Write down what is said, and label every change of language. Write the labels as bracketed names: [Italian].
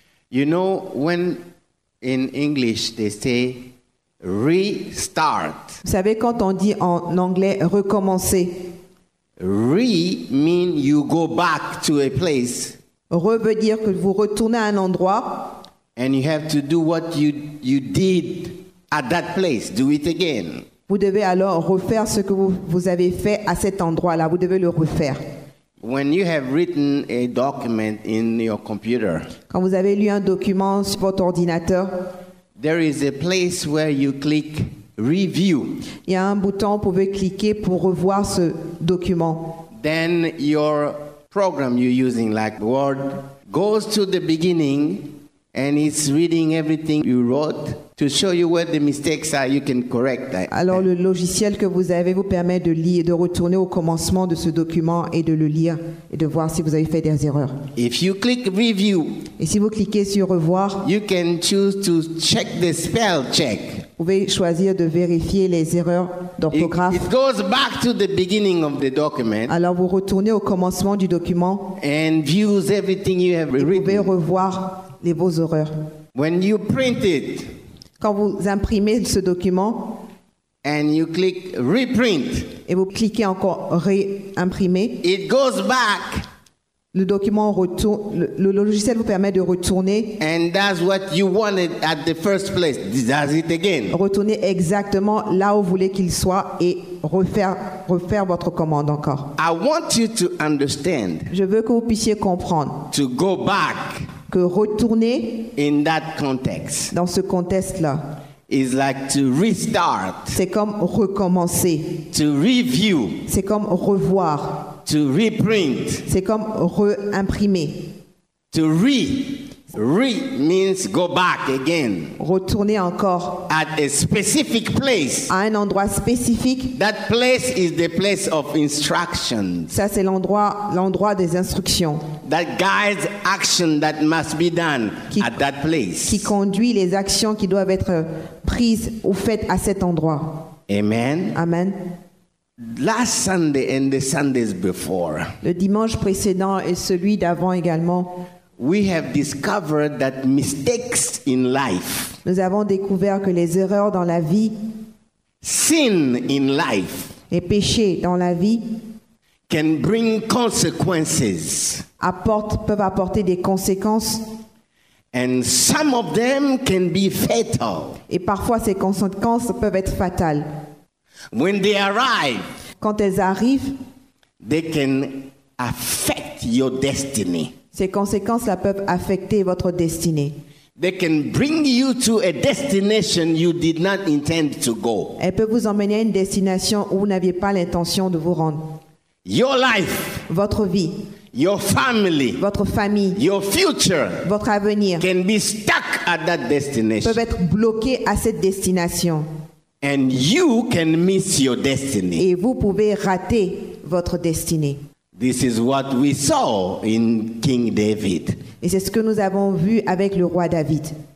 [English] You know when in English they say restart. [French] Vous savez quand on dit en anglais recommencer. [English] Re mean you go back to a place. [French] Re veut dire que vous retournez à un endroit. [English] And you have to do what you did at that place. Do it again. [French] Vous devez alors refaire ce que vous avez fait à cet endroit-là. Vous devez le refaire. [English] When you have written a document in your computer. [French] Quand vous avez lu un document sur votre ordinateur. [English] There is a place where you click review. [French] Il y a un bouton où vous pouvez cliquer pour revoir ce document. [English] Then your program you're using, like Word, goes to the beginning and it's reading everything you wrote to show you where the mistakes are. You can correct that. [French] Alors le logiciel que vous avez vous permet de lire, de retourner au commencement de ce document et de le lire et de voir si vous avez fait des erreurs. [English] If you click review, [French] et si vous cliquez sur revoir, [English] you can choose to check the spell check. [French] Vous pouvez choisir de vérifier les erreurs d'orthographe. [English] It goes back to the beginning of the document. [French] Alors vous retournez au commencement du document. [English] And views everything you have written. [French] Et vous pouvez revoir les vos erreurs. [English] When you print it, [French] quand vous imprimez ce document, [English] and you click reprint, [French] et vous cliquez encore réimprimer, [English] it goes back. [French] Le document retourne. Le logiciel vous permet de retourner. [English] And that's what you wanted at the first place. Does it again? [French] Retourner exactement là où vous voulez qu'il soit et refaire votre commande encore. [English] I want you to understand. [French] Je veux que vous puissiez comprendre. [English] To go back. [French] Que retourner. [English] In that context. [French] Dans ce contexte-là. [English] Is like to restart. [French] C'est comme recommencer. [English] To review. [French] C'est comme revoir. [English] To reprint. [French] C'est comme réimprimer. [English] To re. Re means go back again. [French] Retourner encore. [English] At a specific place. [French] À un endroit spécifique. [English] That place is the place of instruction. [French] Ça c'est l'endroit des instructions. [English] That guides action that must be done at that place. [French] Qui conduit les actions qui doivent être prises ou faites à cet endroit. [English] Amen. [French] Amen. [English] Last Sunday and the Sundays before. [French] Le dimanche précédent et celui d'avant également. [English] We have discovered that mistakes in life. [French] Nous avons découvert que les erreurs dans la vie. [English] Sin in life. [French] Les péchés dans la vie. [English] Can bring consequences. [French] Peuvent apporter des conséquences. [English] And some of them can be fatal. [French] Et parfois ces conséquences peuvent être fatales. [English] When they arrive, [French] quand elles arrivent, [English] they can affect your destiny. [French] Ces conséquences là peuvent affecter votre destinée. [English] They can bring you to a destination you did not intend to go. [French] Elles peuvent vous emmener à une destination où vous n'aviez pas l'intention de vous rendre. [English] Your life, [French] votre vie, [English] your family, [French] votre famille, [English] your future, [French] votre avenir, [English] can be stuck at that destination. [French] Peuvent être bloqués à cette destination. [English] And you can miss your destiny. [French] Et vous pouvez rater votre destinée. [English] This is what we saw in King David. [French] Et c'est ce que nous avons vu avec le roi David.